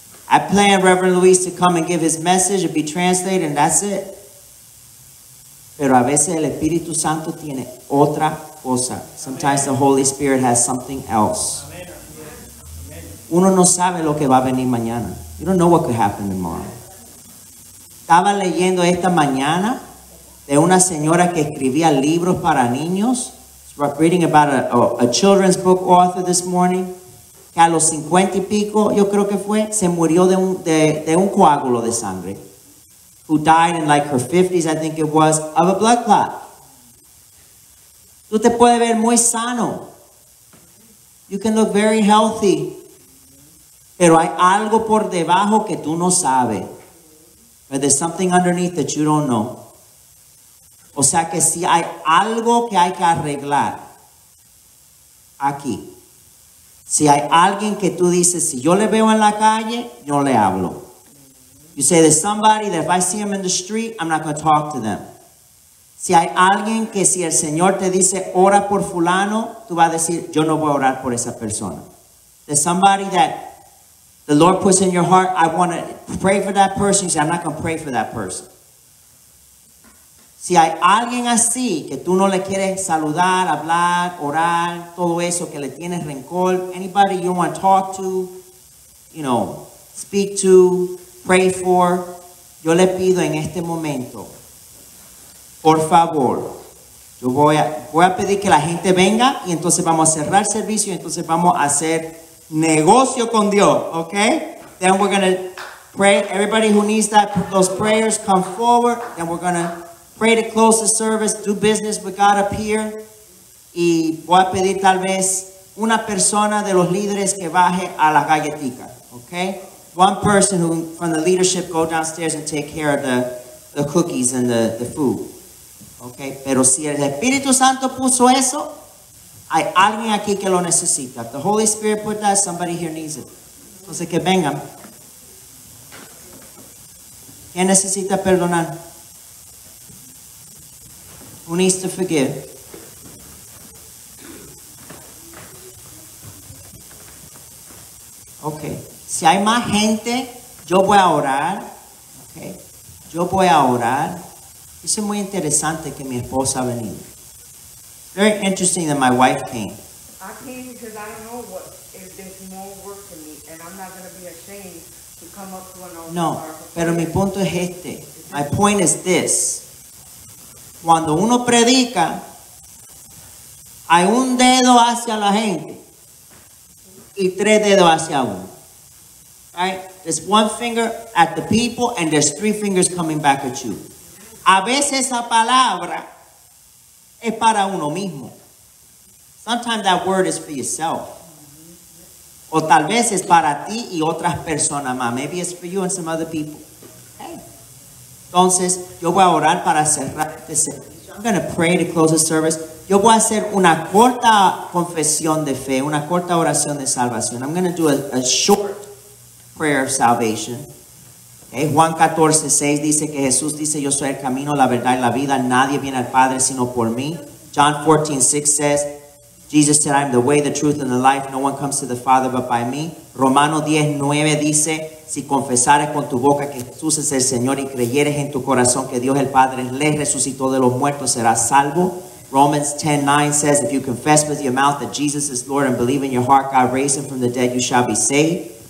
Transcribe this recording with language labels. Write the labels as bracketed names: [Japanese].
[English] I plan Reverend Luis to come and give his message and be translated and that's it. [Spanish] Pero a veces el Espíritu Santo tiene otra cosa. [English] Sometimes the Holy Spirit has something else. [Spanish] Uno no sabe lo que va a venir mañana. [English] You don't know what could happen tomorrow. [Spanish] Estaba leyendo esta mañana de una señora que escribía libros para niños. [English] I was reading about a children's book author this morning. [Spanish] Que a los 50 y pico, yo creo que fue, se murió de un coágulo de sangre. [English] Who died in like her 50s, I think it was, of a blood clot. [Spanish] Tú te puedes ver muy sano. [English] You can look very healthy. [Spanish] Pero hay algo por debajo que tú no sabes. [English] But there's something underneath that you don't know. [Spanish] O sea que si hay algo que hay que arreglar aquí. Si hay alguien que tú dices, si yo le veo en la calle, yo le hablo. [English] You say there's somebody that if I see him in the street, I'm not going to talk to them. [Spanish] Si hay alguien que si el Señor te dice, ora por fulano, tú vas a decir, yo no voy a orar por esa persona. [English] There's somebody that the Lord puts in your heart, I want to pray for that person. You say, I'm not going to pray for that person. [Spanish] Si hay alguien así que tú no le quieres saludar, hablar, orar, todo eso, que le tienes rencor, [English] anybody you want to talk to, you know, speak to, pray for, [Spanish] yo le pido en este momento, por favor, yo voy a pedir que la gente venga y entonces vamos a cerrar servicio y entonces vamos a hacer negocio con Dios, okay? [English] Then we're gonna pray. Everybody who needs that, those prayers, come forward. Then we're gonna pray to close the service, do business with God up here. [Spanish] Y voy a pedir tal vez una persona de los líderes que baje a la galletica, okay? [English] One person who from the leadership go downstairs and take care of the cookies and the food, okay? [Spanish] Pero si el Espíritu Santo puso eso, hay alguien aquí que lo necesita. [English] The Holy Spirit put that, somebody here needs it. [Spanish] Entonces que vengan. ¿Quién necesita perdonar? [English] Who needs to forgive? Okay. [Spanish] Si hay más gente, yo voy a orar. Okay. Yo voy a orar. Eso es muy interesante que mi esposa ha venido. [English] Very interesting that my wife came. I came because I don't know what if there's more work to me, and I'm not going to be ashamed to come up to an altar. [Spanish] No, pero mi punto es este. [English] My point is this. [Spanish] Cuando uno predica, hay un dedo hacia la gente y tres dedos hacia uno. [English] Right? There's one finger at the people and there's three fingers coming back at you. [Spanish] A veces esa palabra es para uno mismo. [English] Sometimes that word is for yourself. [Spanish] O tal vez es para ti y otras personas más. [English] Maybe it's for you and some other people. [Spanish] Entonces, yo voy a orar para cerrar este servicio. [English] I'm going to pray to close the service. [Spanish] Yo voy a hacer una corta confesión de fe, una corta oración de salvación. [English] I'm going to do a short prayer of salvation. Okay? [Spanish] Juan 14, 6 dice que Jesús dice, yo soy el camino, la verdad y la vida. Nadie viene al Padre sino por mí. [English] John 14, 6 says, Jesus said, I'm the way, the truth, and the life. No one comes to the Father but by me. [Spanish] Romano 10, 9 dice, si confesares con tu boca que Jesús es el Señor y creyeres en tu corazón que Dios el Padre le resucitó de los muertos, serás salvo. [English] Romans 10, 9 says, if you confess with your mouth that Jesus is Lord and believe in your heart God raised him from the dead, you shall be saved.